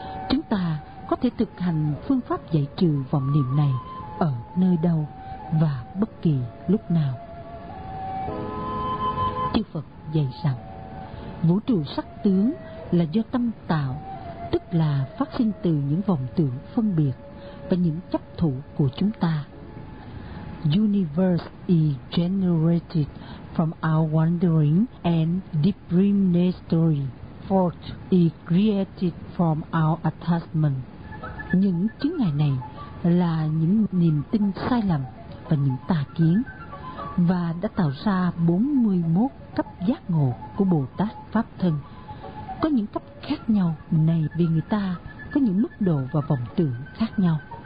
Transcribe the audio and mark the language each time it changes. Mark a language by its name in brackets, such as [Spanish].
[Vietnamese] Chúng ta có thể thực hành phương pháp giải trừ vọng niệm này ở nơi đâu và bất kỳ lúc nào. Chư Phật dạy rằng, vũ trụ sắc tướng là do tâm tạo, tức là phát sinh từ những vọng tưởng phân biệt và những chấp thủ của chúng ta. [English] Universe is generated from our wandering and discriminatory thought is created from our attachment. [Vietnamese] Những chứng ngại này là những niềm tin sai lầm và những tà kiến, và đã tạo ra 41 cấp giác ngộ của Bồ Tát Pháp Thân. Có những cấp khác nhau này vì người ta có những mức độ và vọng tưởng khác nhau.